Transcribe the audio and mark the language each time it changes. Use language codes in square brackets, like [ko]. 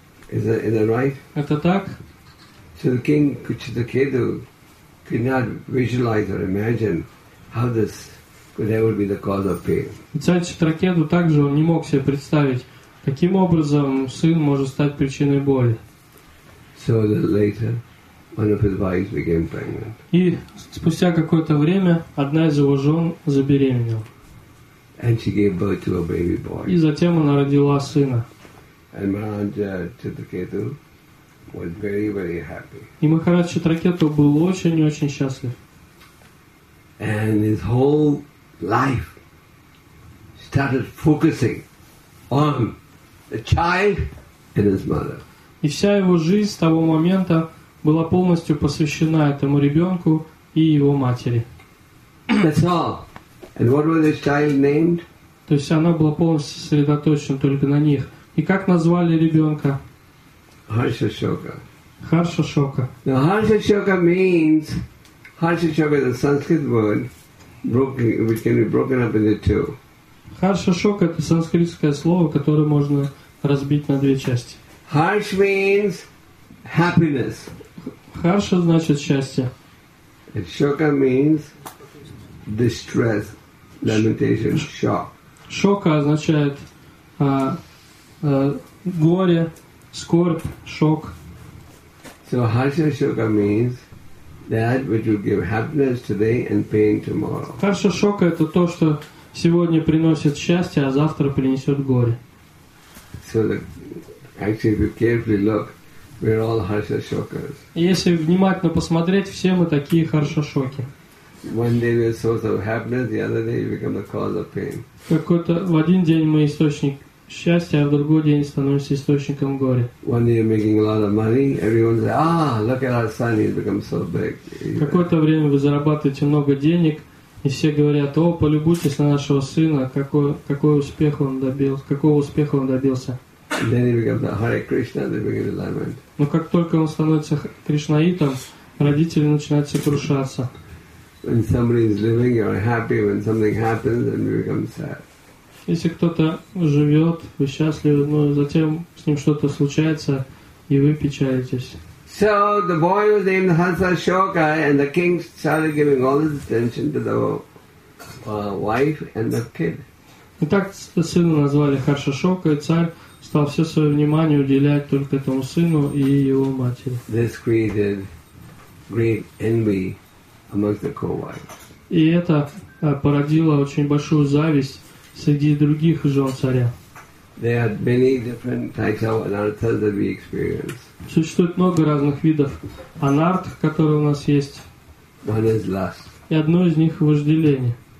[en] Is that right? [ru] Это так? [en] So the king Chitraketu could not visualize or imagine how this could ever be the cause of pain. [ru] Царь Чатракету также он не мог себе представить, каким образом сын может стать причиной боли. [en] So later, one of his wives became pregnant. [ru] И спустя какое-то время одна из его жен забеременела. [en] And she gave birth to a baby boy. [ru] И затем она родила сына. [en] And Maharaja Chitraketu was very, very happy. [ru] И Махарадж Чатракету был очень-очень счастлив. [en] And his whole life started focusing on the child and his mother. [ru] И вся его жизнь с того момента была полностью посвящена этому ребенку и его матери. [en] That's all. And what was his child named? [ru] То есть она была полностью сосредоточена только на них. И как назвали ребенка? [en] Harsha Shoka. Now Harsha Shoka means Harsha Shoka is a Sanskrit word broken, which can be broken up into two. [ru] Harsha Shoka это санскритское слово, которое можно разбить на две части. [en] Harsh means happiness. [ru] Harsha значит счастье. [en] And Shoka means distress, lamentation, shock. [ru] Shoka означает горе. Скорбь, шок. [en] So harsha shoka means that which will give happiness today and pain tomorrow. [ru] Harsha shoka это то, что сегодня приносит счастье, а завтра принесет горе. [en] So actually, if you carefully look, we're all harsha shokas. [ru] Если внимательно посмотреть, все мы такие harsha shoki. [en] One day we're a source of happiness, the other day we become the cause of pain. [ru] Какой-то в один день мы источник счастья, а в другой день становимся источником горя. [en] One day you're making a lot of money, everyone says, ah, look at our son, he's become so big. [ru] Какое-то время вы зарабатываете много денег, и все говорят, о, полюбуйтесь на нашего сына, какого успеха он добился. [en] Then he becomes a Hare Krishna, they begin to lament. [ru] Но как только он становится кришнаитом, родители начинают сокрушаться. [en] When somebody is living, you are happy. When something happens, then you become sad. [ru] Если кто-то живет, вы счастливы, но затем с ним что-то случается, и вы печалитесь. [en] So the boy was named Hansa Shoka, and the king started giving all his attention to the wife and the kid. [ru] Итак, сына назвали Харша Шока, и царь стал все свое внимание уделять только этому сыну и его матери. [en] This created great envy amongst the co-wives. [ru] И это породило очень большую зависть среди других жен царя. [en] There are many different types of anarthas that we experience. [ru] Существует много разных видов анартх, которые у нас есть. [en] One is lust. [ru] И одно из них – вожделение.